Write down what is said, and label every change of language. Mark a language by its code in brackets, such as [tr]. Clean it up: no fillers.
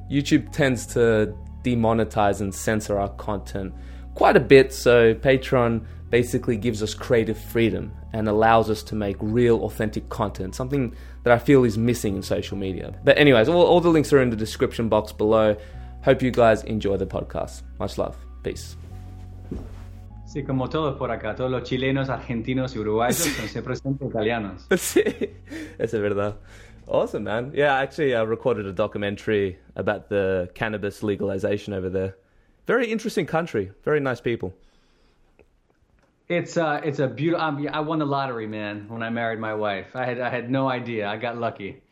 [en] YouTube tends to demonetize and censor our content quite a bit, so Patreon basically gives us creative freedom and allows us to make real, authentic content, something that I feel is missing in social media. But anyways, all the links are in the description box below. Hope you guys enjoy the podcast. Much love. Peace. [es] Sí, como todos por acá, todos los chilenos, argentinos y uruguayos, son siempre italianos. Sí, es verdad. [en] Awesome, man. Yeah, actually, I recorded a documentary about the cannabis legalization over there. Very interesting country. Very nice people. It's a beautiful. I won the lottery, man. When I married my wife, I had no idea. I got lucky.